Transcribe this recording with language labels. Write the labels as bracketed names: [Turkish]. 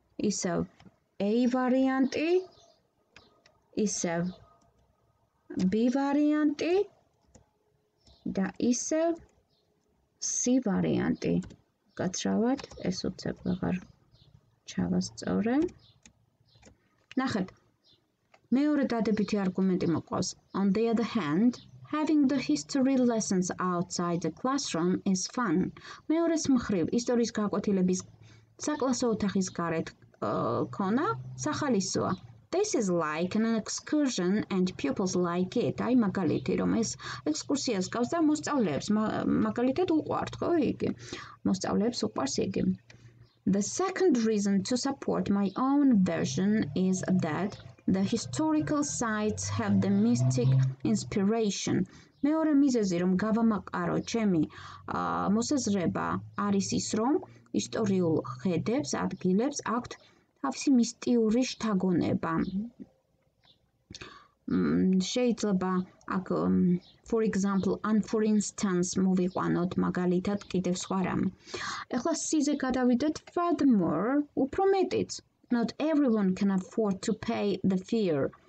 [Georgian] ისევ A ვარიანტი, ისევ B ვარიანტი და ისევ C ვარიანტი. გაცრავად, ეს უცებ აღარ ჩავასწორე. ნახეთ. მეორე დადებითი არგუმენტი მოყვავს. [English] On the other hand, having the history lessons outside the classroom is fun. [Georgian] მეორეს მხრივ, ისტორიის გაკვეთილების საკლასო ოთახის გარეთ ქონა სახალისოა. [English] This is like an excursion and pupils like it. [Georgian] აი მაგალითი, რომ ეს ექსკურსიას გავს და მოსწავლეებს მაგალითად უყვართ, ხო იგი? მოსწავლეებს უყვარს იგი. [English] The second reason to support my own version is that the historical sites have the mystic inspiration. [Georgian] მეორე მიზეზი რომ გავამაყარო ჩემი მოსაზრება არის ის რომ ისტორიულ ხედებს, ადგილებს აქვთ თავისი მისტიური შთაგონება. შეიძლება აქ [English] for example and for instance [Georgian] მოვიყვანოთ მაგალითად კიდევ სხვა რამ. ეხლა C-ზე გადავიდეთ. Furthermore, უფრო მეტიც. [English] Not everyone can afford to pay the fear.